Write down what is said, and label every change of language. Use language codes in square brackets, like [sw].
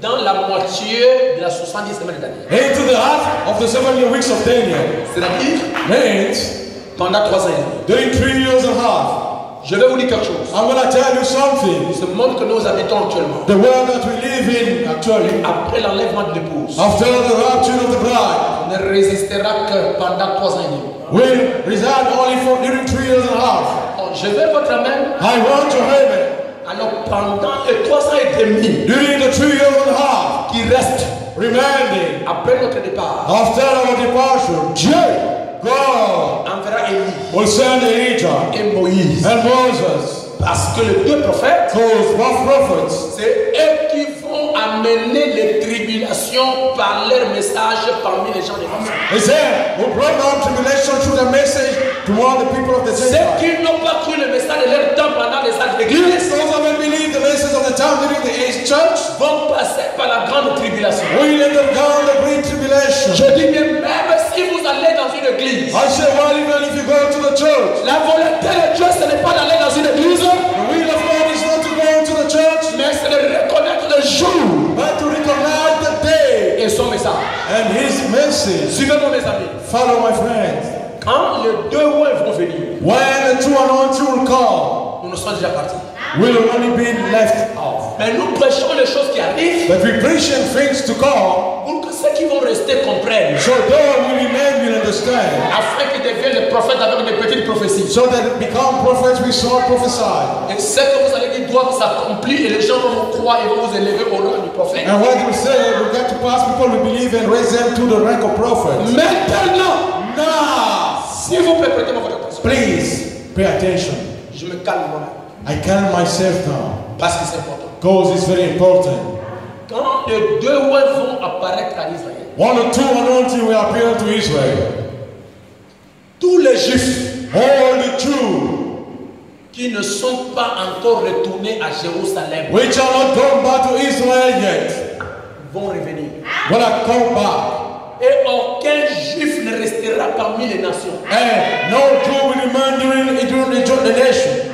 [fr] Dans la moitié de la 70 semaines de Daniel. [en] Into the half of the 70 weeks of Daniel. [fr] C'est-à-dire. [en] Means. [fr] Pendant 3 ans. [en] During 3 years and a half. [fr] Je vais vous dire quelque chose. [en] I'm going to tell you something. [fr] Ce monde que nous habitons actuellement. [en] The world that we live in actually. [fr] Après l'enlèvement de l'épouse. [en] After the rapture of the bride. [fr] Ne résistera que pendant 3 ans. [en] Will reside only for during 3 years and a half. [fr] Je veux votre amen. [en] I want your amen. [fr] Alors pendant les 3 ans et demi. [en] During the 3 years and a half. [fr] Qui reste. [en] Remaining. [fr] Après notre départ. [en] After our departure. Dieu. God. Will send Elijah [fr] et Moïse [en] and Moses. [fr] Parce que les deux prophètes, [en] those both prophets, [fr] c'est eux qui vont amener les tribulations par leur message parmi les gens de [en] Israël. Who brought down tribulation through the message toward the people of the sanctuary. [fr] Ceux qui n'ont pas cru le message de leur temple pendant les salles d'église. [en] Those who haven't believed the message of the temple during the age church [fr] vont passer par la grande tribulation. [en] Will undergo the great tribulation. [fr] Je dis bien même si vous allez dans une église. [en] I say, well, even if you go to the church. [fr] La volonté de Dieu ce n'est pas d'aller dans une église. [en] The will of God is not to go to the church. [fr] Mais c'est de reconnaître le jour. [en] But to recognize the day. [fr] Et son message. [en] And his message. [fr] Suivez-moi mes amis. [en] Follow my friends. [fr] Quand les deux rois vont venir, [en] when the two anointed will come, [fr] nous ne serons déjà partis. [en] We'll only be left out. [fr] Mais nous prêchons les choses qui arrivent. [en] But we preach things to come. [fr] Pour que ceux qui vont rester comprennent. [en] So those who remain will understand. [fr] Afin qu'ils deviennent des prophètes avec des petites prophéties. [en] So that become prophets with small prophecies. [fr] Et ce que vous allez dire doit s'accomplir et les gens vont vous croire et vont vous élever au rang du prophète. [en] And what you say will get to pass. People will believe and raise them to the rank of prophets. [fr] Maintenant. [en] Now, [fr] s'il vous plaît, prêtez-moi votre attention. [en] Please pay attention. [fr] Je me calme moi-même. [en] I calm myself now. [fr] Parce que c'est important. [en] Cause it's very important. [fr] Quand les deux rois vont apparaître à Israël. [en] One or two anointing will appear to Israel. [fr] Tous les Juifs, [en] all the Jews, [fr] qui ne sont pas encore retournés à Jérusalem, [en] which are not gone back to Israel yet, [fr] vont revenir. [en] When I come back. [fr] Et aucun juif ne restera parmi les nations. [en] And no Jew will remain during the nation.